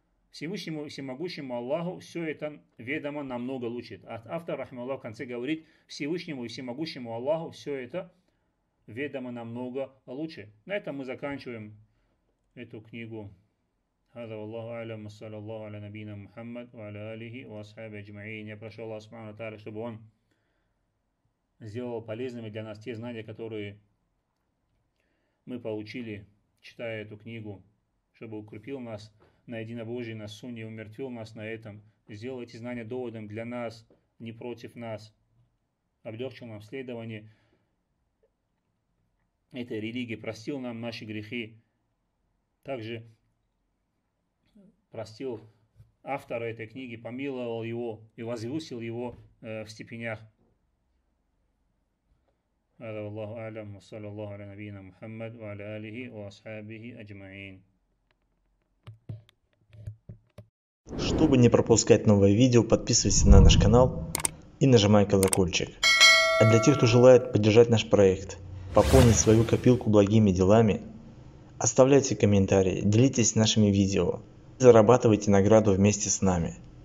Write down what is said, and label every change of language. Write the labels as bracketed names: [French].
[Russian] Всевышнему и всемогущему Аллаху все это ведомо намного лучше. Автор, рахмаллах, в конце говорит, Всевышнему и всемогущему Аллаху все это ведомо намного лучше. На этом мы заканчиваем эту книгу. [Arabic] هذا والله أعلم صلى الله على نبينا محمد وعلى آله وأصحابه أجمعين. [Russian] Я прошу Аллаха Субхана ва Тааля, чтобы Он сделал полезными для нас те знания, которые мы получили, читая эту книгу, чтобы укрепил нас на единобожии, на сунне, умертвил нас на этом, сделал эти знания доводом для нас, не против нас, облегчил нам следование этой религии, простил нам наши грехи, также простил автора этой книги, помиловал его и возвысил его в степенях. [Arabic] هذا والله أعلم وصلى الله على نبينا محمد وعلى آله وأصحابه أجمعين. [Russian] Чтобы не пропускать новые видео, подписывайся на наш канал и нажимай колокольчик. А для тех, кто желает поддержать наш проект, пополнить свою копилку благими делами, оставляйте комментарии, делитесь нашими видео, зарабатывайте награду вместе с нами.